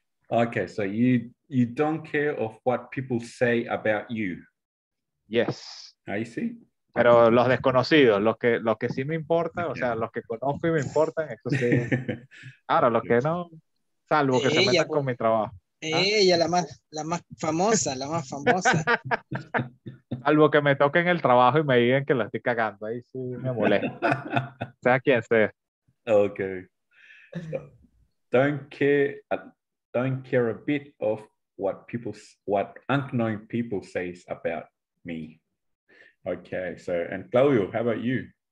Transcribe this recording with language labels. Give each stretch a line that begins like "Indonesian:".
English: Okay, so you don't care of what people say about you. Yes. I see.
Spanish: Pero los desconocidos, los que sí me importan, o sea, los que conozco y me importan, eso sí. Claro, los que no, salvo que ella, se metan con mi trabajo. Ella, la más famosa. Salvo que me toquen el trabajo y me digan que lo estoy cagando, ahí sí me molesta. Sea quien sea. Ok.
English: Don't care a bit of what unknown people says about me. Okay, so, and Claudio, how about you?